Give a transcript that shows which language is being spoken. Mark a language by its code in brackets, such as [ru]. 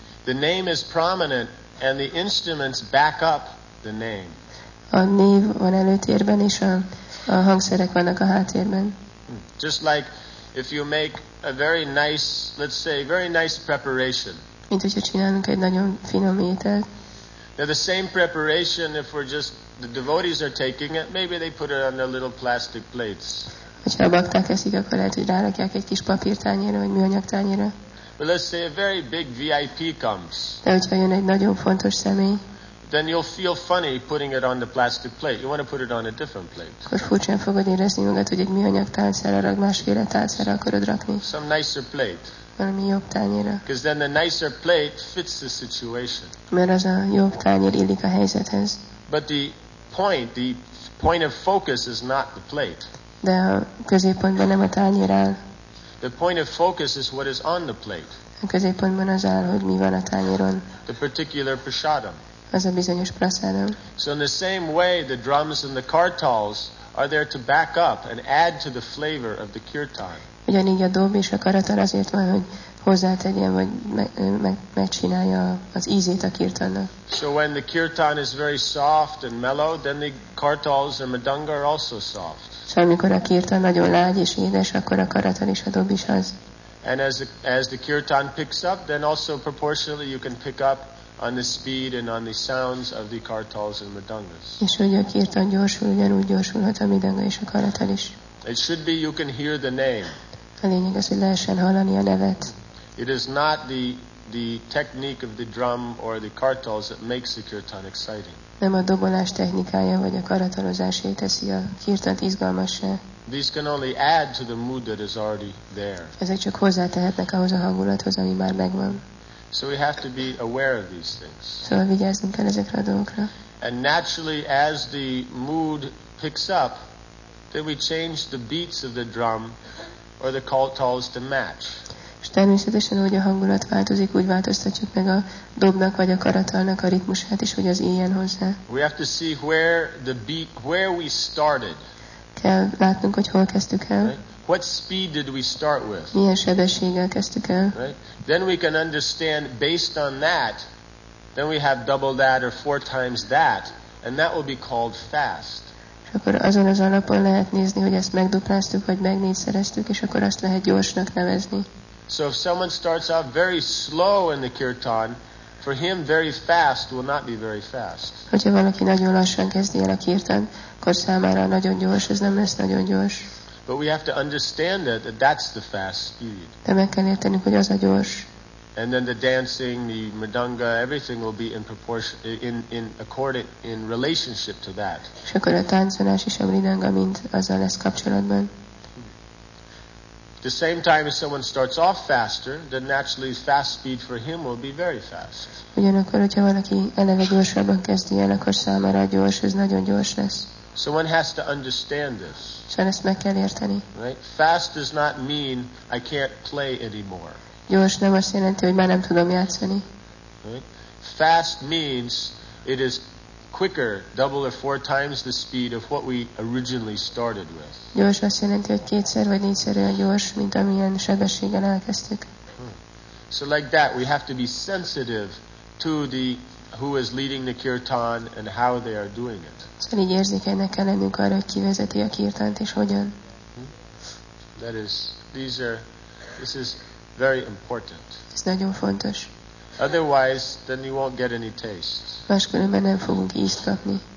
[en] The name is prominent and the instruments back up the name. [hu] A név van előtérben, és a hangszerek vannak a háttérben. [en] Just like if you make a very nice, let's say, very nice preparation. [hu] Mint hogyha csinálunk egy nagyon finom ételt. [en] Now the same preparation, if we're just, the devotees are taking it, maybe they put it on their little plastic plates. [hu] Hogyha a bakták eszik, akkor lehet, hogy rárakják egy kis papírtányérra, vagy műanyag tányérra. [en] But let's say a very big VIP comes. [hu] De hogyha jön egy nagyon fontos személy. [en] Then you'll feel funny putting it on the plastic plate. You want to put it on a different plate. [hu] Akkor furcsán fogod érezni magad, hogy egy műanyag tálcára rak, másféle tálcára akarod rakni. [en] Some nicer plate. [hu] Valami jobb tányéra. [en] Because then the nicer plate fits the situation. [hu] Mert az a jobb tányér illik a helyzethez. [en] But the point of focus is not the plate. [hu] De a középpontban nem a tányér áll. [en] The point of focus is what is on the plate. [hu] A középpontban az áll, hogy mi van a tányéron. [en] The particular prasadam. [hu] Az a bizonyos prasadam. [en] So in the same way, the drums and the kartals are there to back up and add to the flavor of the kirtan. [hu] Ugyanígy a dob és a karatal azért van, hogy hozzátegyen, vagy megcsinálja az ízét a kirtannak. [en] So when the kirtan is very soft and mellow, then the kartals or madanga are also soft. [hu] Szóval amikor a kirtan nagyon lágy és édes, akkor a karatal és a dob is az. [en] And as the kirtan picks up, then also proportionally you can pick up on the speed and on the sounds of the kartals and madangas. [hu] És hogy a kirtan gyorsul, ugyanúgy gyorsulhat a madanga és a karatal is. [en] It should be you can hear the name. [hu] A lényeg az, hogy lehessen hallani a nevet. [en] It is not the technique of the drum or the kartals that makes the kirtan exciting. [hu] Nem a dobolás technikája vagy a karatalozásé teszi a kirtant izgalmassá. [en] These can only add to the mood that is already there. [hu] Ezek csak hozzátehetnek ahhoz a hangulathoz, ami már megvan. [en] So we have to be aware of these things. [hu] Szóval vigyázzunk kell ezekre a dolgokra. [en] And naturally, as the mood picks up, then we change the beats of the drum or the kartals to match. [hu] És természetesen, hogy a hangulat változik, úgy változtatjuk meg a dobnak vagy a karatalnak a ritmusát is, hogy az éljen hozzá. [en] We have to see where the beat, where we started. [hu] Kell látnunk, hogy hol kezdtük el. [en] Right? What speed did we start with? [hu] Milyen sebességgel kezdtük el. [en] Right? Then we can understand based on that, then we have double that or four times that, and that will be called fast. [hu] És akkor azon az alapon lehet nézni, hogy ezt megdupláztuk, vagy meg négyszereztük, és akkor azt lehet gyorsnak nevezni. [en] So if someone starts out very slow in the kirtan, for him very fast will not be very fast. [hu] Hogyha valaki nagyon lassan kezdi el a kirtan, akkor számára nagyon gyors, ez nem lesz nagyon gyors. [en] But we have to understand that that's the fast speed. [hu] De meg kell értenünk, hogy az a gyors. [en] And then the dancing, the madanga, everything will be in proportion, in accordant, in relationship to that. [hu] És akkor a táncolás is a madanga mind azzal lesz kapcsolatban. [en] At the same time, if someone starts off faster, then naturally fast speed for him will be very fast. [hu] Ugyanakkor, hogyha valaki eleve gyorsabban kezdi el, akkor számára gyors, ez nagyon gyors lesz. [en] So one has to understand this. [hu] Szóval ezt meg kell érteni. [en] Right? Fast does not mean I can't play anymore. [hu] Gyors nem azt jelenti, hogy már nem tudom játszani. [en] Right? Fast means it is quicker, double or four times the speed of what we originally started with. [hu] Gyors azt jelenti, hogy kétszer vagy négyszer olyan gyors, mint amilyen sebességgel elkezdtük. [en] So like that, we have to be sensitive to the who is leading the kirtan and how they are doing it. [hu] Szóval így érzékenynek kell lennünk arra, hogy ki vezeti a kirtant és hogyan. [en] That is, this is very important. [hu] Ez nagyon fontos. [en] Otherwise, then you won't get any taste. [hu] Máskülönben nem fogunk ízt kapni.